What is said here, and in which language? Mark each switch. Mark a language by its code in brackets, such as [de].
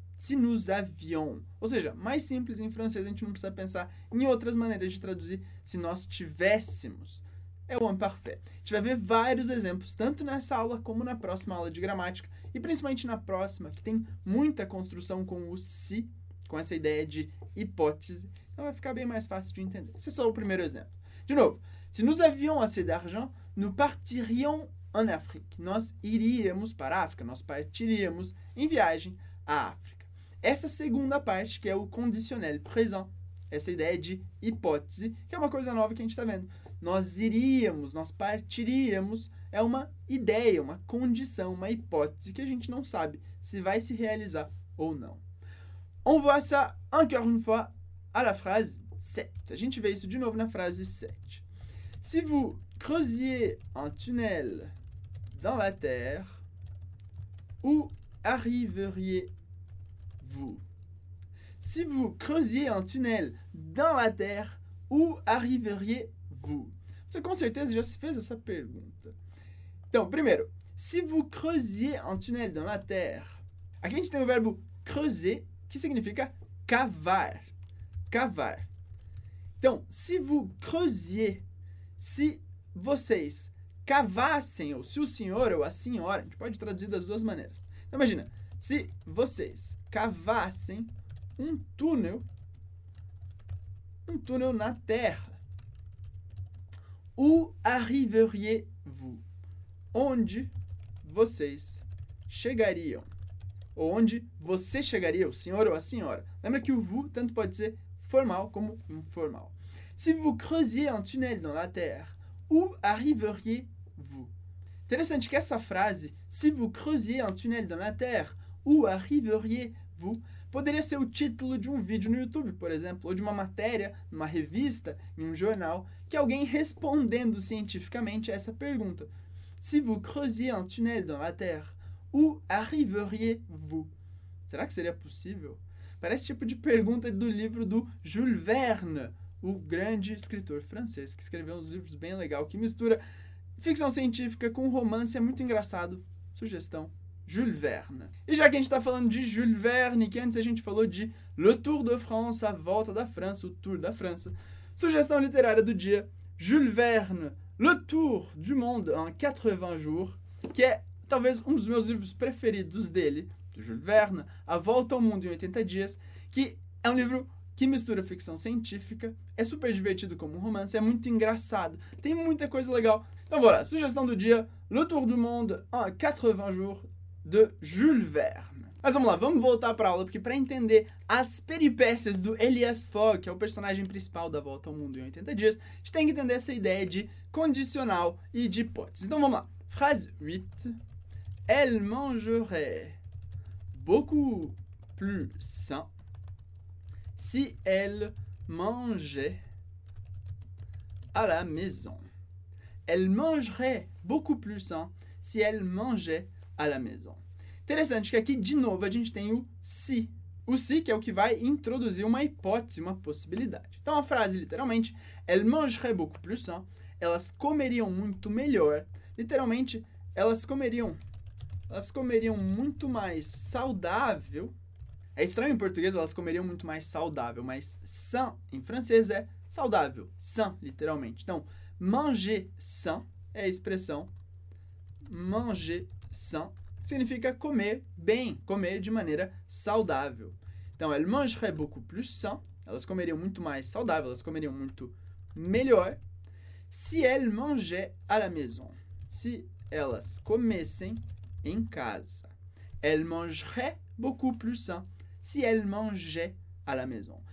[fr] Si nous avions. [pt] Ou seja, mais simples em francês, a gente não precisa pensar em outras maneiras de traduzir se nós tivéssemos. É o imparfait. A gente vai ver vários exemplos, tanto nessa aula como na próxima aula de gramática, e principalmente na próxima, que tem muita construção com o si, com essa ideia de hipótese, então vai ficar bem mais fácil de entender. Esse é só o primeiro exemplo. De novo, se [fr] nous avions assez d'argent, nous partirions en Afrique. [pt] Nós iríamos para a África, nós partiríamos em viagem à África. Essa segunda parte, que é o conditionnel présent, essa ideia de hipótese, que é uma coisa nova que a gente está vendo. Nós iríamos, nós partiríamos, é uma ideia, uma condição, uma hipótese que a gente não sabe se vai se realizar ou não. [fr] On voit ça encore une fois à la phrase 7. [pt] A gente vê isso de novo na frase 7. [fr] Si vous creusiez un tunnel dans la terre, où arriveriez-vous? Si vous creusiez un tunnel dans la terre, où arriveriez-vous? [pt] Você com certeza já se fez essa pergunta. Então, primeiro, [fr] si vous creusiez un tunnel dans la terre. [pt] Aqui a gente tem o verbo creuser, que significa cavar. Cavar. Então, [fr] si vous creusiez, [pt] se vocês cavassem, ou se o senhor ou a senhora, a gente pode traduzir das duas maneiras. Então, imagina, se vocês cavassem um túnel na terra, [fr] où arriveriez-vous? [pt] Onde vocês chegariam? Ou onde você chegaria, o senhor ou a senhora? Lembra que o vous tanto pode ser formal como informal. [fr] Si vous creusiez un tunnel dans la terre, où arriveriez-vous? [pt] Interessante que essa frase, se [fr] vous creusiez un tunnel dans la terre, où arriveriez-vous, [pt] poderia ser o título de um vídeo no YouTube, por exemplo, ou de uma matéria, numa revista, em um jornal, que alguém respondendo cientificamente a essa pergunta. [fr] Si vous creusiez un tunnel dans la terre, où arriveriez-vous? [pt] Será que seria possível? Parece tipo de pergunta do livro do Jules Verne, o grande escritor francês, que escreveu uns livros bem legais, que mistura ficção científica com romance, é muito engraçado. Sugestão, Jules Verne. E já que a gente está falando de Jules Verne, que antes a gente falou de Le Tour de France, a volta da França, o Tour da França, sugestão literária do dia, Jules Verne, Le Tour du Monde en 80 jours, que é talvez um dos meus livros preferidos dele, do Jules Verne, A Volta ao Mundo em 80 Dias, que é um livro que mistura ficção científica, é super divertido como um romance, é muito engraçado, tem muita coisa legal. Então, voilà, sugestão do dia, Le Tour du Monde en 80 jours, de Jules Verne. Mas vamos lá, vamos voltar pra aula, porque pra entender as peripécias do Elias Fogg, que é o personagem principal da Volta ao Mundo em 80 Dias, a gente tem que entender essa ideia de condicional e de hipótese. Então, vamos lá. Phrase 8. [fr] Elle mangerait beaucoup plus sain si elle mangeait à la maison. Elle mangerait beaucoup plus sain si elle mangeait à la maison. [pt] Interessante que aqui, de novo, a gente tem o si. O si que é o que vai introduzir uma hipótese, uma possibilidade. Então, a frase, literalmente, [fr] elle mangerait beaucoup plus sain, [pt] elas comeriam muito melhor. Literalmente, elas comeriam muito mais saudável. É estranho em português, elas comeriam muito mais saudável, mas sain em francês é saudável, sain, literalmente. Então, manger sain é a expressão manger sain, significa comer bem, comer de maneira saudável. Então, [fr] elle mangerait beaucoup plus sain, [pt] elas comeriam muito mais saudável, elas comeriam muito melhor, [fr] si elle mangeait à la maison, [pt] se elas comessem em casa. [fr] Elle mangerait beaucoup plus sain, si elle mangeait à la maison.